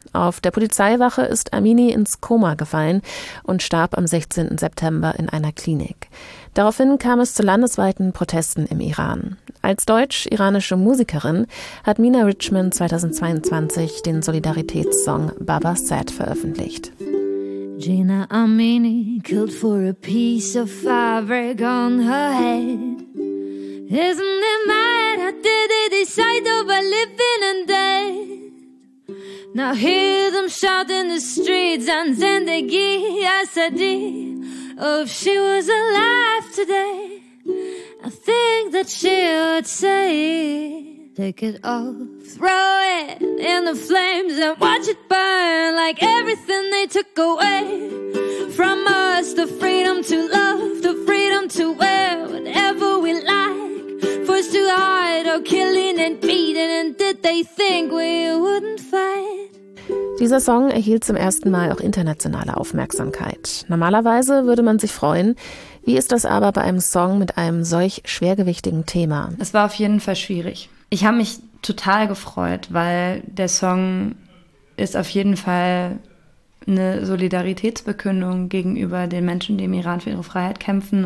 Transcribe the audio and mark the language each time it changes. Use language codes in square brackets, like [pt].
[de] Auf der Polizeiwache ist Amini ins Koma gefallen und starb am 16. September in einer Klinik. Daraufhin kam es zu landesweiten Protesten im Iran. Als deutsch-iranische Musikerin hat Mina Richmond 2022 den Solidaritätssong Baba Sad veröffentlicht. [en] Gina Amini killed for a piece of fabric on her head. Isn't it mad how did they decide over living and dead? Now hear them shout in the streets and [fa] Zendegi Asadi. [en] Oh, if she was alive today, I think that she would say, take it all, throw it in the flames and watch it burn like everything they took away from us. The freedom to love, the freedom to wear whatever we like, forced to hide or killing and beating. And did they think we wouldn't fight? [de] Dieser Song erhielt zum ersten Mal auch internationale Aufmerksamkeit. Normalerweise würde man sich freuen. Wie ist das aber bei einem Song mit einem solch schwergewichtigen Thema? Es war auf jeden Fall schwierig. Ich habe mich total gefreut, weil der Song ist auf jeden Fall eine Solidaritätsbekundung gegenüber den Menschen, die im Iran für ihre Freiheit kämpfen.